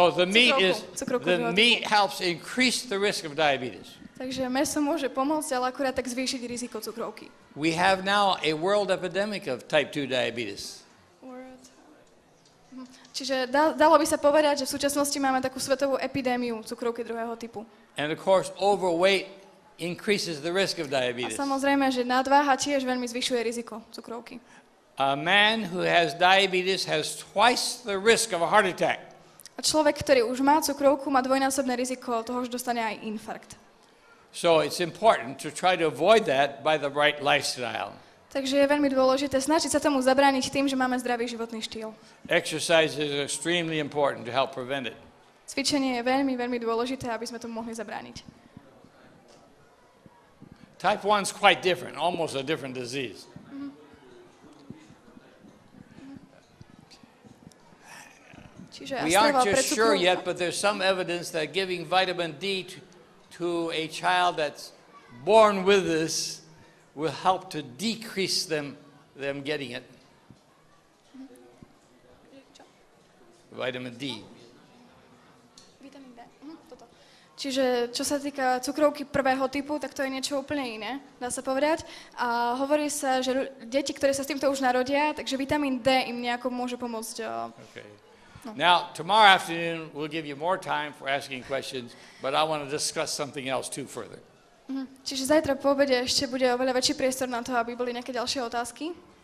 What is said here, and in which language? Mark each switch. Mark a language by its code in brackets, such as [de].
[en] meat helps increase the risk of diabetes. [sk] Takže mäso môže pomôcť, ale akurát tak zvýšiť riziko cukrovky. [en] We have now a world epidemic of type 2 diabetes. [sk] Čiže dalo by sa povedať, že v súčasnosti máme takú svetovú epidémiu cukrovky druhého typu. [en] And of course, overweight increases the risk of diabetes. [sk] A samozrejme, že nadváha tiež veľmi zvyšuje riziko cukrovky. [en] A man who has diabetes has twice the risk of a heart attack. [sk] A človek, ktorý už má cukrovku, má dvojnásobné riziko toho, že dostane aj infarkt. [en] So it's important to try to avoid that by the right lifestyle. [sk] Takže je veľmi dôležité snažiť sa tomu zabrániť tým, že máme zdravý životný štýl. [en] Exercise is extremely important to help prevent it. [sk] Cvičenie je veľmi, veľmi dôležité, aby sme tomu mohli zabrániť. [en] Type 1 is quite different, almost a different disease. Mm-hmm. We aren't just sure yet, but there's some evidence that giving vitamin D to a child that's born with this will help to decrease them getting it. Vitamin D. [sk] Vitamin D. Toto. Čiže čo sa týka cukrovky prvého typu, tak to je niečo úplne iné, dá sa povedať. A hovorí sa, že deti, ktoré sa s týmto už narodia, takže vitamin D im nejako môže pomôcť. Okay. No. [en] Now, tomorrow afternoon we'll give you more time for asking questions, but I want to discuss something else too further. [sk] Čiže zajtra po obede ešte bude oveľa väčší priestor na to, aby boli nejaké ďalšie otázky.